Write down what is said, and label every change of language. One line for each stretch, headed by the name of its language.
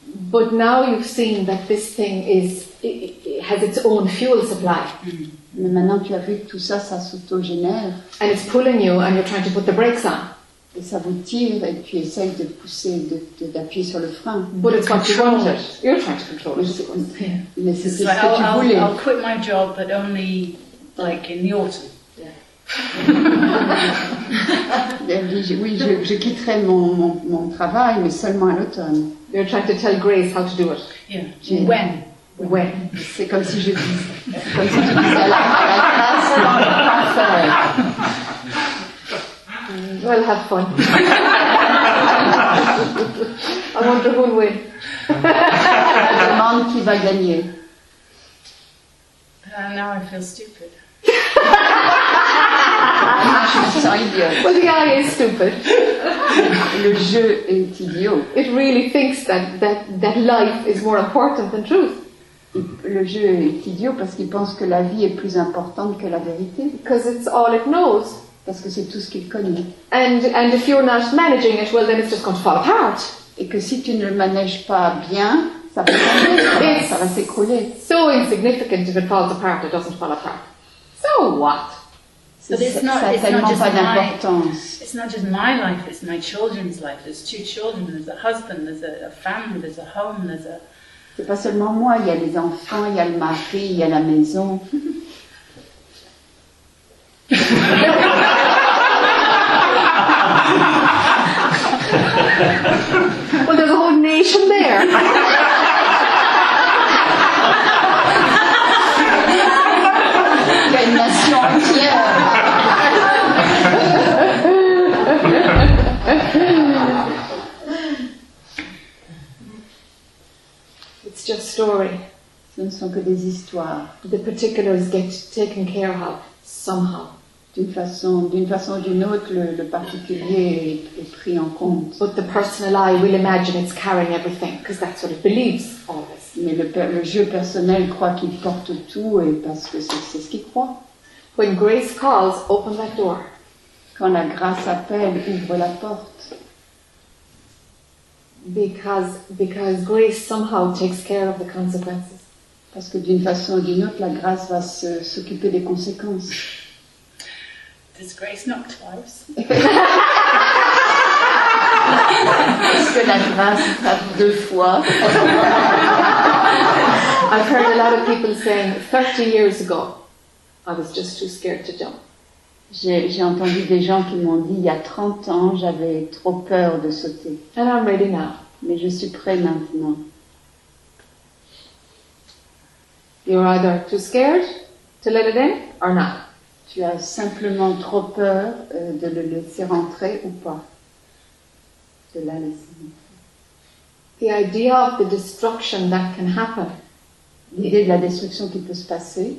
English: But now you've seen that this thing has its own fuel supply.
French: Mais maintenant tu as vu que tout ça, ça s'autogénère.
English: And it's pulling you, and you're trying to put the brakes on.
French: Et ça vous tire, et tu essayes de pousser, d'appuyer sur le frein.
English: But it's what you wanted. You're trying to control it. Yeah.
French: Mais c'est ce que tu voulais.
English: I'll quit my job, but only like in the autumn.
French: Oui, je quitterai mon travail, mais seulement à l'automne.
English: You're trying to tell Grace how to do it. Yeah. When? When?
French: C'est comme si je disais. Comme si je disais la classe.
English: Well, have fun. I wonder who will win.
French: Je demande qui va gagner.
English: Now I feel stupid. Well, the eye is stupid.
French: Le jeu est idiot.
English: It really thinks that life is more important than truth.
French: Le jeu est idiot parce qu'il pense que la vie est plus importante que la vérité.
English: Because it's all it knows.
French: Parce que c'est tout ce qu'il connaît.
English: And if you're not managing it, well, then it's just going to fall apart.
French: Et que si tu ne le manages pas bien, ça va tomber, ça va s'écrouler.
English: So insignificant if it falls apart, it doesn't fall apart. So what? It's not just my life, it's my children's life. There's two children, there's a husband, there's a family, there's a home, there's a...
French: C'est pas seulement moi, il y a les enfants, il y a le mari, il y a la maison.
English: Well, there's a whole nation there. It's just story.
French: Ce ne sont que des histoires.
English: The particulars get taken care of somehow.
French: D'une façon ou d'une autre, le particulier est pris en compte.
English: But the personal eye will imagine it's carrying everything, because that's what it believes always.
French: Mais le jeu personnel croit qu'il porte tout, et parce que c'est ce qu'il croit.
English: When grace calls, open that door.
French: Quand la grâce appelle, ouvre la porte.
English: Because grace somehow takes care of the consequences.
French: Parce que d'une façon ou d'une autre, la grâce va s'occuper des conséquences.
English: Does grace knock twice?
French: Est-ce que la grâce tape deux fois?
English: I've heard a lot of people saying, 30 years ago, I was just too scared to jump.
French: J'ai entendu des gens qui m'ont dit, il y a 30 ans, j'avais trop peur de sauter.
English: And I'm ready now.
French: Mais je suis prêt maintenant.
English: You're either too scared to let it in or not.
French: Tu as simplement trop peur de le laisser rentrer ou pas. De la laisser rentrer.
English: The idea of the destruction that can happen.
French: L'idée de la destruction qui peut se passer